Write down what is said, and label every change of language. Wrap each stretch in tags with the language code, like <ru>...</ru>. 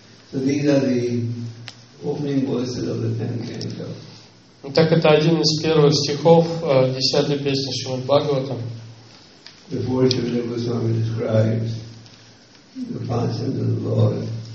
<en>So these are the opening verses of the 10th canto.</en> <ru>Так это один из первых стихов 10-й песни Шримад Бхагаватам.</ru> <en>The voice of Shiva Goswami describes the pastimes of the Lord.</en>